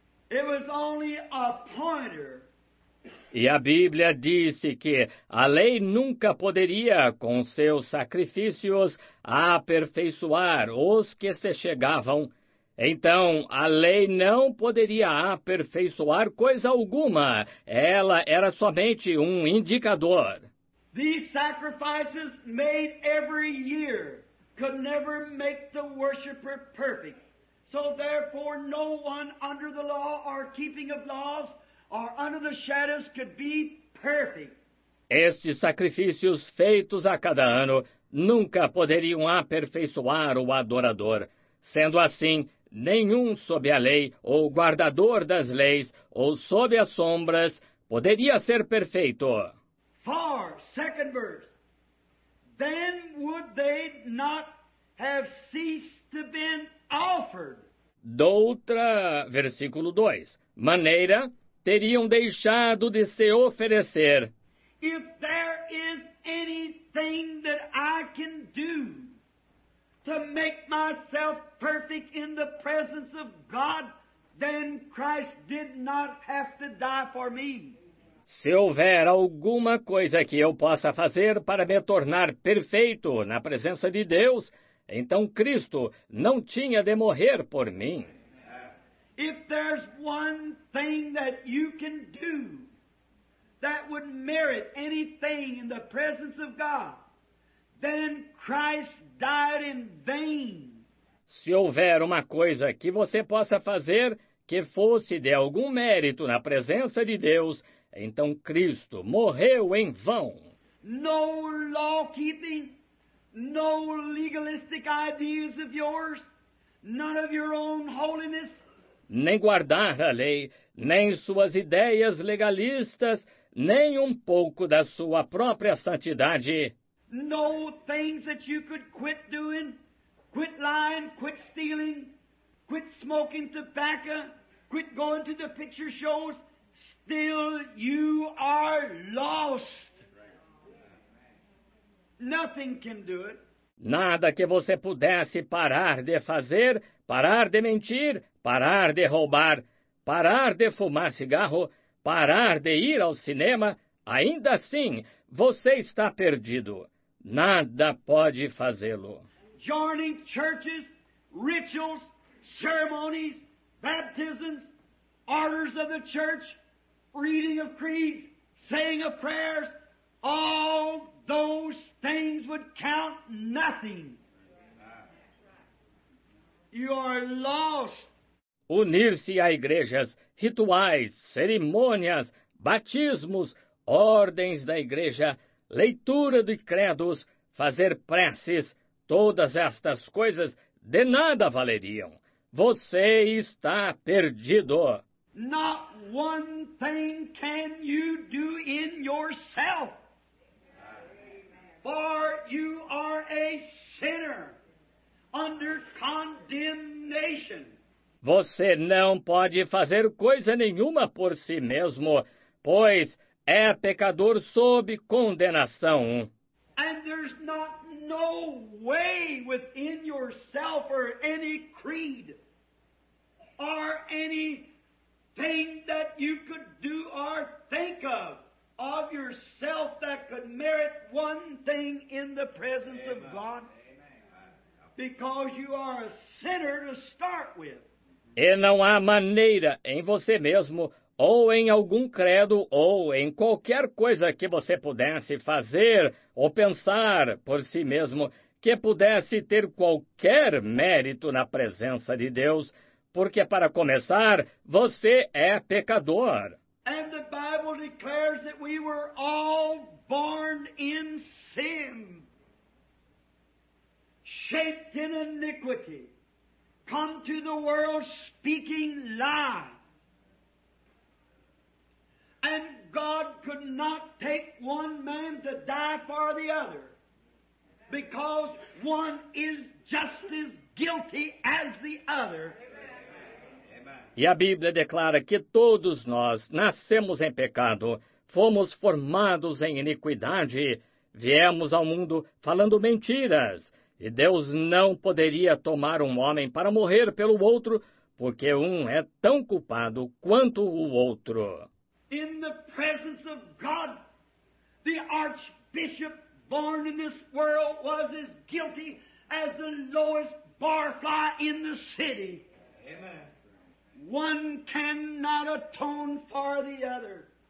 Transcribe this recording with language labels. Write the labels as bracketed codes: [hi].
[en] It was only a pointer. [pt] E a Bíblia disse que a lei nunca poderia, com seus sacrifícios, aperfeiçoar os que se chegavam. Então, a lei não poderia aperfeiçoar coisa alguma. Ela era somente um indicador. [en] These sacrifices made every year could never make the worshiper perfect. So therefore, no one under the law or keeping of laws or under the shadows could be perfect. [pt] Estes sacrifícios feitos a cada ano nunca poderiam aperfeiçoar o adorador. Sendo assim, nenhum sob a lei, ou guardador das leis, ou sob as sombras, poderia ser perfeito. [en] For, second verse, then would they not have ceased to been offered. [pt] Doutra, versículo 2, maneira... teriam deixado de se oferecer. [en] If there is anything that I can do to make myself perfect in the presence of God, then Christ did not have to die for me. [pt] Se houver alguma coisa que eu possa fazer para me tornar perfeito na presença de Deus, então Cristo não tinha de morrer por mim. [en] If there's one thing that you can do that would merit anything in the presence of God, then Christ died in vain. [pt] Se houver uma coisa que você possa fazer que fosse de algum mérito na presença de Deus, então Cristo morreu em vão. [en] No law-keeping, no legalistic ideas of yours, none of your own holiness. [pt] Nem guardar a lei, nem suas ideias legalistas, nem um pouco da sua própria santidade. [en] No things that you could quit doing, quit lying, quit stealing, quit smoking tobacco, quit going to the picture shows. Still, you are lost. Nothing can do it. [pt] Nada que você pudesse parar de fazer, parar de mentir, parar de roubar, parar de fumar cigarro, parar de ir ao cinema, ainda assim, você está perdido. Nada pode fazê-lo. [en] Joining churches, rituals, ceremonies, baptisms, orders of the church, reading of creeds, saying of prayers, all those things would count nothing. You are lost. [pt] Unir-se a igrejas, rituais, cerimônias, batismos, ordens da igreja, leitura de credos, fazer preces, todas estas coisas de nada valeriam. Você está perdido. [en] Not one thing can you do in yourself, for you are a sinner under condemnation. [pt] Você não pode fazer coisa nenhuma por si mesmo, pois é pecador sob condenação. [en] And there's not no way within yourself or any creed or any thing that you could do or think of yourself that could merit one thing in the presence of God, because you are a sinner to start with. [pt] E não há maneira em você mesmo, ou em algum credo, ou em qualquer coisa que você pudesse fazer ou pensar por si mesmo, que pudesse ter qualquer mérito na presença de Deus, porque, para começar, você é pecador. [en] And the Bible declares that we were all born in sin, shaped in iniquity, come to the world speaking lies. And God could not take one man to die for the other, because one is just as guilty as the other. [pt] E a Bíblia declara que todos nós nascemos em pecado, fomos formados em iniquidade, viemos ao mundo falando mentiras, e Deus não poderia tomar um homem para morrer pelo outro, porque um é tão culpado quanto o outro. [en] In the presence of God, the archbishop born in this world was as guilty as the lowest barfly in the city. Amen. One cannot atone for the other.